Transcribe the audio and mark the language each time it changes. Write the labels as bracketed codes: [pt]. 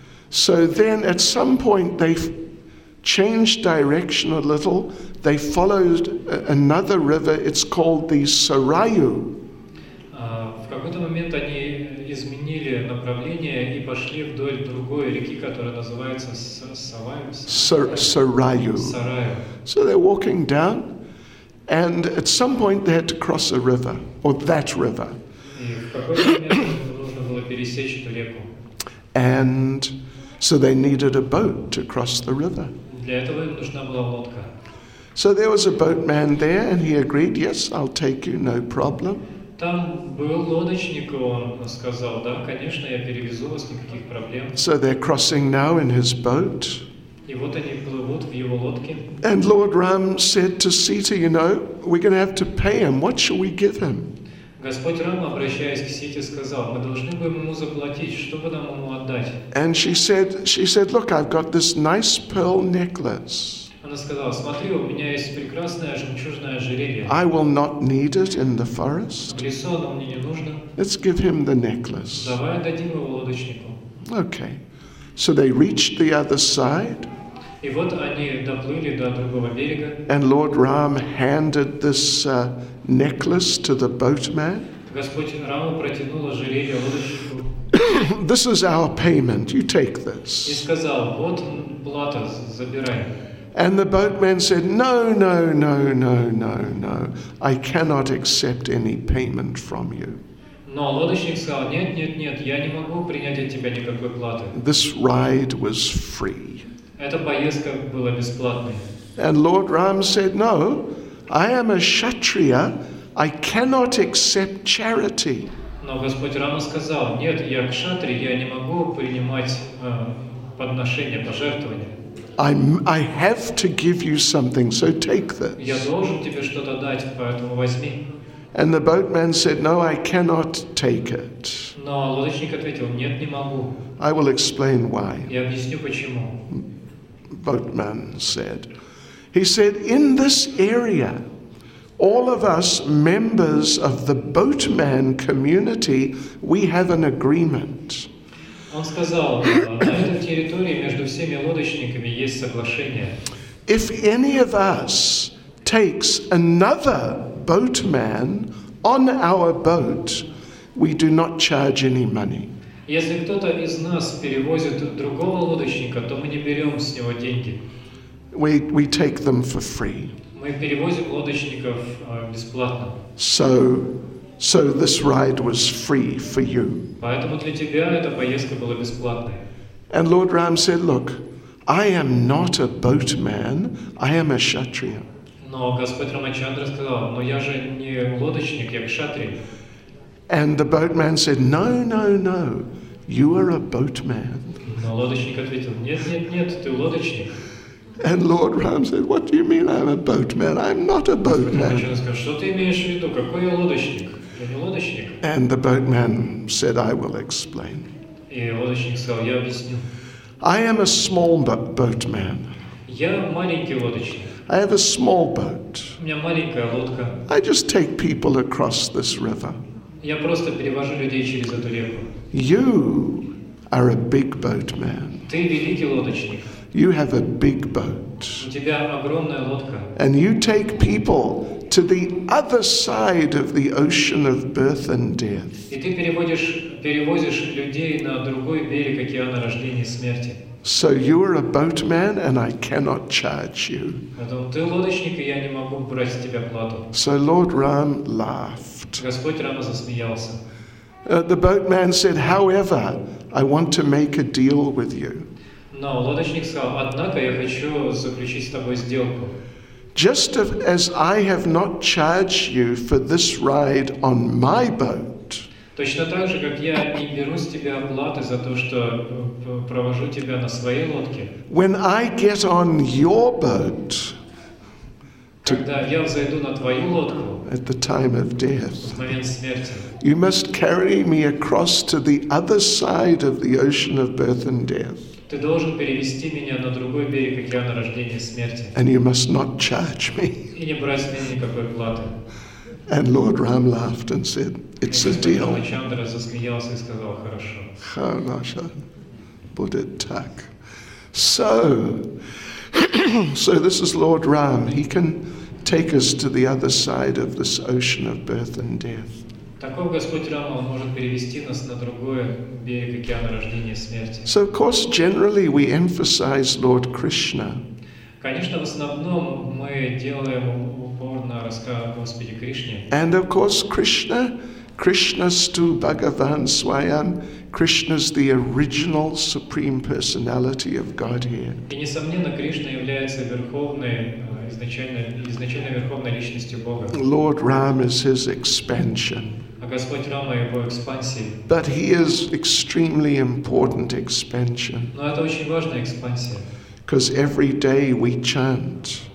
[en] So then at some point they changed direction a little. They followed another river. It's called the Sarayu. [ru] В какой-то момент они изменили направление и пошли вдоль другой реки, которая называется Sarayu. [en] So they're walking down, and at some point they had to cross a river, or that river. [ru] Нужно было пересечь эту реку. [en] And so they needed a boat to cross the river. [ru] Для этого им нужна была лодка. [en] So there was a boatman there, and he agreed, yes, I'll take you, no problem. [ru] Там был лодочник, он сказал, да, конечно, я перевезу вас, никаких проблем. [en] So they're crossing now in his boat. [ru] И вот они плывут в его лодке. [en] And Lord Ram said to Sita, you know, we're going to have to pay him. What should we give him? [ru] Господь Рам, обращаясь к Сите, сказал, мы должны будем ему заплатить, чтобы нам ему отдать. [en] And she said, look, I've got this nice pearl necklace. [ru] Она сказала, смотри, у меня есть прекрасное жемчужное ожерелье. [en] I will not need it in the forest. [ru] В лесу оно мне не нужно. [en] Let's give him the necklace. [ru] Давай отдадим его лодочнику. [en] Okay. So they reached the other side. [ru] И вот они доплыли до другого берега. [en] And Lord Ram handed this necklace to the boatman. [ru] Господь Раму протянул ожерелье лодочнику. [en] This is our payment. You take this. [ru] И сказал: вот плата, забирай. [en] And the boatman said, no, no, no, no, no, no. I cannot accept any payment from you. [ru] Но лодочник сказал: нет, нет, нет, я не могу принять от тебя никакой платы. [en] This ride was free. [ru] Эта поездка была бесплатной. [en] And Lord Ram said, no, I am a kshatriya. I cannot accept charity. [ru] Но Господь Рама сказал: нет, я кшатри, я не могу принимать подношения, пожертвования. [en] I have to give you something, so take this. [ru] Я должен тебе что-то дать, поэтому возьми. [en] And the boatman said, no, I cannot take it. [ru] Но лодочник ответил: нет, не могу. [en] I will explain why. [ru] Я объясню почему. [en] Boatman said. He said, in this area, all of us members of the boatman community, we have an agreement. [ru] Он сказал: на этой территории между всеми лодочниками есть соглашение. [en] If any of us takes another boatman on our boat, we do not charge any money. [ru] Если кто-то из нас перевозит другого лодочника, то мы не берем с него деньги. [en] We take them for free. [ru] Мы перевозим лодочников бесплатно. [en] So this ride was free for you. [ru] Поэтому для тебя эта поездка была бесплатной. [en] And Lord Ram said, look, I am not a boatman, I am a kshatriya. [ru] Но Господь Рамачандра сказал: но я же не лодочник, я кшатрия. [en] And the boatman said, no, no, no, you are a boatman. [ru] Но лодочник ответил: нет, нет, нет, ты лодочник. [en] And Lord Ram said, what do you mean I'm a boatman? I'm not a boatman. [ru] Что ты имеешь в виду? Какой я лодочник? Я не лодочник. [en] And the boatman said, I will explain. [ru] И лодочник сказал: я объясню. [en] I am a small boatman. [ru] Я маленький лодочник. [en] I have a small boat. [ru] У меня маленькая лодка. [en] I just take people across this river. [ru] Я просто перевожу людей через эту реку. [en] You are a big boatman. [ru] Ты великий лодочник. [en] You have a big boat. [ru] У тебя огромная лодка. [en] And you take people to the other side of the ocean of birth and death. [ru] И ты перевозишь людей на другой берег океана рождения и смерти. [en] So you are a boatman and I cannot charge you. [ru] Ты лодочник, и я не могу брать с тебя плату. [en] So Lord Ram laughed. [ru] Господь Рама засмеялся. [en] The boatman said, however, I want to make a deal with you. [ru] Но лодочник сказал: однако я хочу заключить с тобой сделку. [en] Just as I have not charged you for this ride on my boat. [ru] Точно так же, как я не беру с тебя оплаты за то, что провожу тебя на своей лодке. [en] When I get on your boat. [ru] Когда я взойду на твою лодку. [en] At the time of death. [ru] В момент смерти. [en] You must carry me across to the other side of the ocean of birth and death. [ru] Ты должен перевести меня на другой берег океана рождения и смерти. [en] And you must not charge me. [ru] И не брать с меня никакой платы. [en] And Lord Ram laughed and said, it's a deal. [ru] Рамачандра засмеялся и сказал: хорошо. Хорошо. Будет так. [en] So, so this is Lord Ram. He can take us to the other side of this ocean of birth and death. [ru] Таков Господь Рама, Он может перевести нас на другой берег океана рождения и смерти. [en] So, of course, generally we emphasize Lord Krishna. [ru] Конечно, в основном мы делаем упор на рассказ о Господе Кришне. [en] And, of course, Krishna, [sa] Krishnastu Bhagavan Swayam, [en] Krishna's the original Supreme Personality of Godhead. [ru] И, несомненно, Кришна является верховной, изначальной верховной личностью Бога. [en] Lord Ram is His expansion. [ru] А Господь Рама – Его экспансия. [en] But He is extremely important expansion. [ru] Но это очень важная экспансия. [en] Because every day we chant.